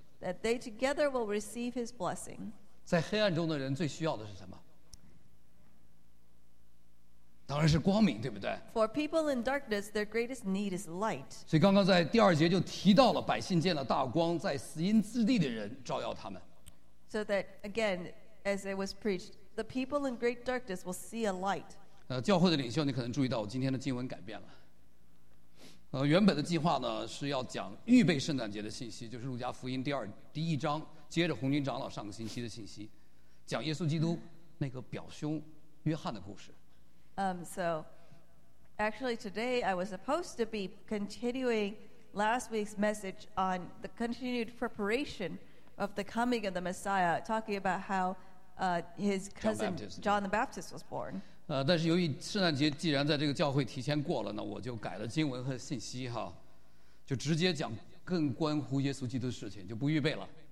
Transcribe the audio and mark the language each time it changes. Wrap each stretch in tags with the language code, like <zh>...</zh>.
<en>That they together will receive his blessing.</en> <zh>在黑暗中的人最需要的是什么？当然是光明，对不对？</zh> <en>For people in darkness, their greatest need is light.</en> <zh>所以刚刚在第二节就提到了百姓见了大光，在死荫之地的人照耀他们。</zh> <en>So that again, as it was preached, the people in great darkness will see a light.</en> <zh>教会的领袖，你可能注意到我今天的经文改变了。原本的计划呢是要讲预备圣诞节的信息，就是路加福音第一章，接着红军长老上个星期的信息，讲耶稣基督那个表兄约翰的故事。</zh> <en>So actually today I was supposed to be continuing last week's message on the continued preparation of the coming of the Messiah, talking about how his cousin John the Baptist was born.</en> <zh>但是由于圣诞节既然在这个教会提前过了呢，我就改了经文和信息哈，就直接讲更关乎耶稣基督的事情，就不预备了。</zh>